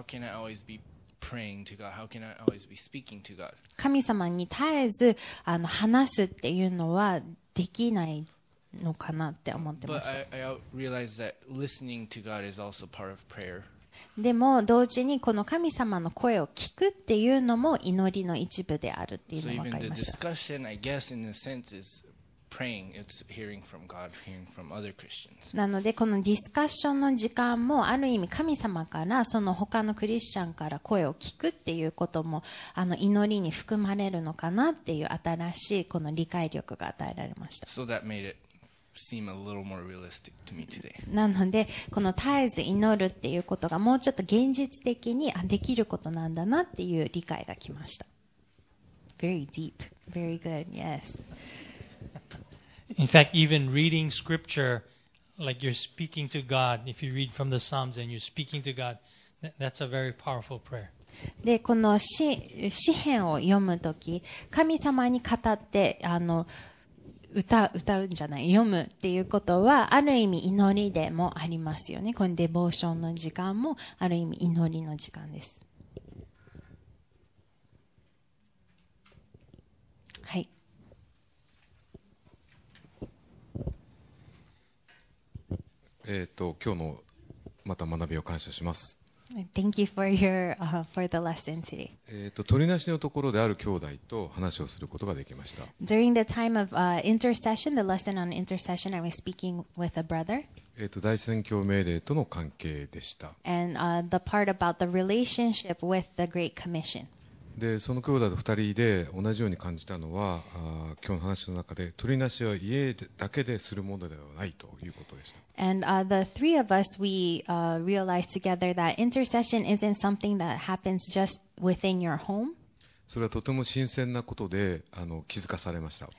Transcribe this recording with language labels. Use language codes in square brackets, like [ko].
[en] How can I always be praying to God? How can I always be speaking to God? [ja] 神様に絶えず、話すっていうのはできないのかなって思ってました。 [en] But I realize that listening to God is also part of prayer. [ja] でも同時にこの神様の声を聞くっていうのも祈りの一部であるっていうのも分かりました。 [en] So even the discussion, I guess, in a sense, is praying. It's hearing from God, hearing from other Christians. [ja] なのでこのディスカッションの時間もある意味神様からその他のクリスチャンから声を聞くっていうことも祈りに含まれるのかなっていう新しいこの理解力が与えられました。 [en] So that made it. Seem a little more realistic to me today. [ja] なのでこの絶えず祈るっていうことがもうちょっと現実的にできることなんだなっていう理解がきました。 [en] Very deep. Very good. Yes. In fact, even reading scripture, like you're speaking to God, if you read from the Psalms and you're speaking to God, that's a very powerful prayer. [ja] でこの詩篇を読むとき、神様に語って歌うんじゃない、読むっていうことはある意味祈りでもありますよね。このデボーションの時間もある意味祈りの時間です。はい、今日のまた学びを感謝します。 [en] Thank you for your, for the lesson today. [ja] 取りなしのところである兄弟と話をすることができました。 [en] During the time of, intercession, the lesson on intercession, I was speaking with a brother. [ja] 大宣教命令との関係でした。 [en] And, the part about the relationship with the Great Commission. [ja] で、その兄弟と二人で同じように感じたのは、今日の話の中で、取りなしは家だけでするものではないということでした。 [en] And the three of us, we realized together that intercession isn't something that happens just within your home. [ja] それはとても新鮮なことで気づかされました。